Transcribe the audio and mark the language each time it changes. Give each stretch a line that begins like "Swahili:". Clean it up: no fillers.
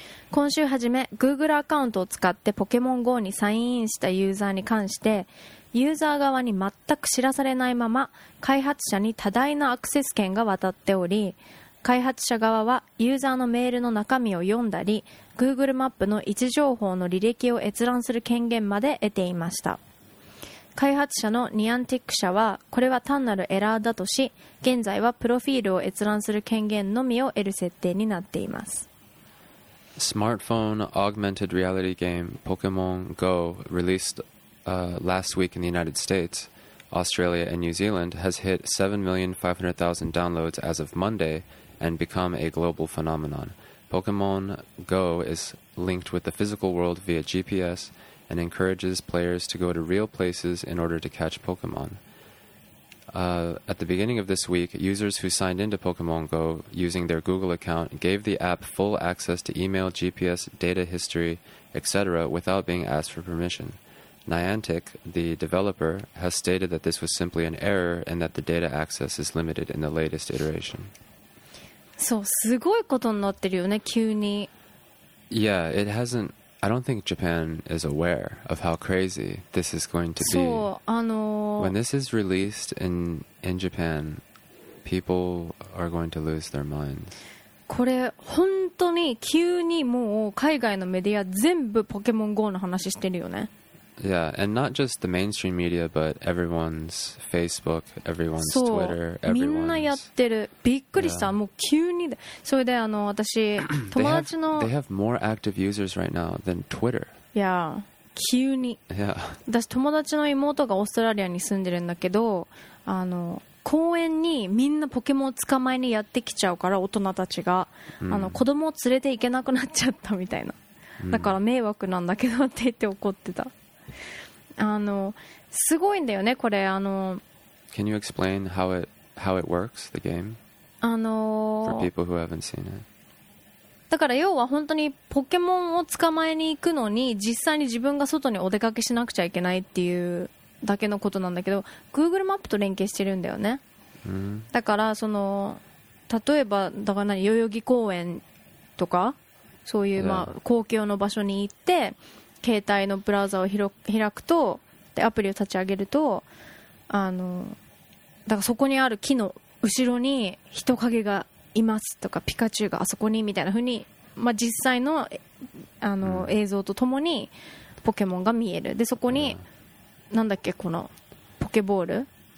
Japanese: 今週初め、Google アカウントを使ってポケモン GO にサインインしたユーザーに関して、ユーザー側に全く知らされないまま開発者に多大なアクセス権が渡っており、開発者側はユーザーのメールの中身を読んだり Google マップの位置情報の履歴を閲覧する権限まで得ていました。開発者のニアンティック社はこれは単なるエラーだとし、現在はプロフィールを閲覧する権限のみを得る設定になっています。
English: Smartphone augmented reality game Pokemon Go, released last week in the United States, Australia, and New Zealand, has hit 7,500,000 downloads as of Monday and become a global phenomenon. Pokemon Go is linked with the physical world via GPS and encourages players to go to real places in order to catch Pokemon. At the beginning of this week, users who signed into Pokemon Go using their Google account gave the app full access to email, GPS, data history, etc. without being asked for permission. Niantic, the developer, has stated that this was simply an error and that the data access is limited in the latest iteration.
Japanese: そう、すごいことになってるよね、急に。
English: Yeah, it hasn't... I don't think Japan is aware of how crazy this is going to be.
Japanese: そう、
English: When this is released in Japan, people are going to lose their minds.
Japanese: これ本当に急にもう海外のメディア全部ポケモン GO の話してるよね。
English: Yeah, and not just the mainstream media, but everyone's Facebook, everyone's Twitter, everyone's...
Japanese: みんなやってる。びっくりした。もう急に。それで私友達の
English: they have more active users right now than Twitter. Yeah.
Japanese: 急に、
English: yeah.
Japanese: 私友達の妹がオーストラリアに住んでるんだけど、公園にみんなポケモンを捕まえにやってきちゃうから、大人たちが、mm. 子供を連れて行けなくなっちゃったみたいな、だから迷惑なんだけどって言って怒ってた。あのすごいんだよねこれ。あの
English: Can you explain how it works, the game? For people who haven't seen it.
Japanese: だから要は本当にポケモンを捕まえに行くのに実際に自分が外にお出かけしなくちゃいけないっていうだけのことなんだけど Google マップと連携してるんだよね、うん、だからその例えばだから何代々木公園とかそういうまあ公共の場所に行って携帯のブラウザを開くとでアプリを立ち上げるとあのだからそこにある木の後ろに人影がいますとかピカチュウがあそこにみたいな風に、まあ、実際 の, あの、うん、映像とともにポケモンが見えるでそこに、うん、なんだっけこのポケボール